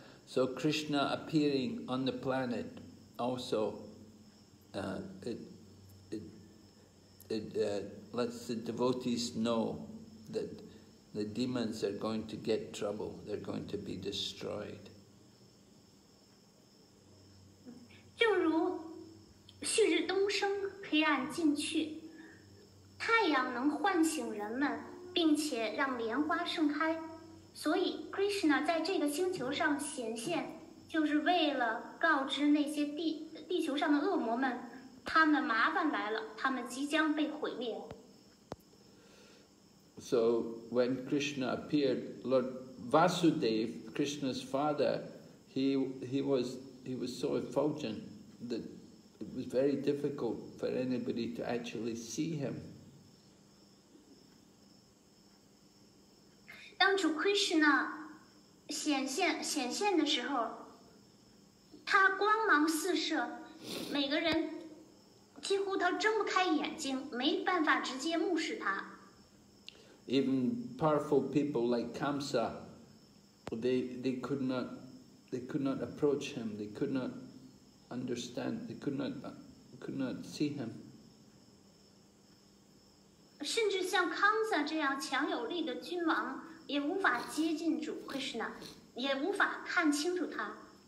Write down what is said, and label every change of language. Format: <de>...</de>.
<en>So Krishna appearing on the planet also lets the devotees know that the demons are going to get trouble, they're going to be destroyed.</en> <zh>正如旭日东升，黑暗尽去，太阳能唤醒人们，并且让莲花盛开。所以 ，Krishna 在这个星球上显现，就是为了告知那些地球上的恶魔们，他们的麻烦来了，他们即将被毁灭。</zh> <en>So when Krishna appeared, Lord Vasudev, Krishna's father, he was so effulgent that it was very difficult for anybody to actually see him.</en> <zh>当主 Krishna 显现的时候，他光芒四射，每个人几乎都睁不开眼睛，没办法直接目视他。</zh> <en>Even powerful people like Kamsa, they could not approach him. They could not understand. They could not see him.</en> <zh>甚至像康萨这样强有力的君王，也无法接近主Krishna，也无法看清楚他。</zh>